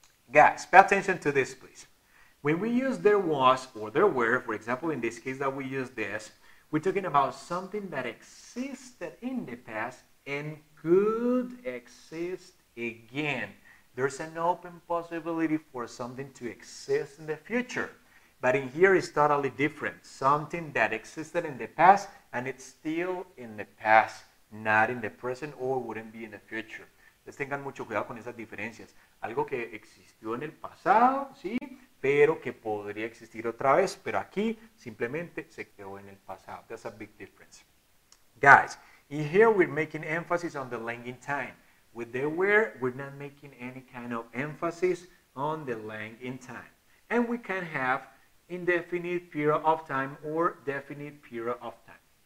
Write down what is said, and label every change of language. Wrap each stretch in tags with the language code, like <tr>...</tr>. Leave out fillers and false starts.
<en>Guys, pay attention to this, please. When we use there was or there were, for example, in this case that we use this, we're talking about something that existed in the past and could exist again. There's an open possibility for something to exist in the future. But in here, it's totally different. Something that existed in the past, and it's still in the past, not in the present, or wouldn't be in the future.</en> <es>Entonces tengan mucho cuidado con esas diferencias. Algo que existió en el pasado, sí, pero que podría existir otra vez, pero aquí simplemente se quedó en el pasado.</es> <en>That's a big difference. Guys, in here, we're making emphasis on the length in time. With there were, we're not making any kind of emphasis on the length in time. And we can have indefinite period of time or definite period of time.</en>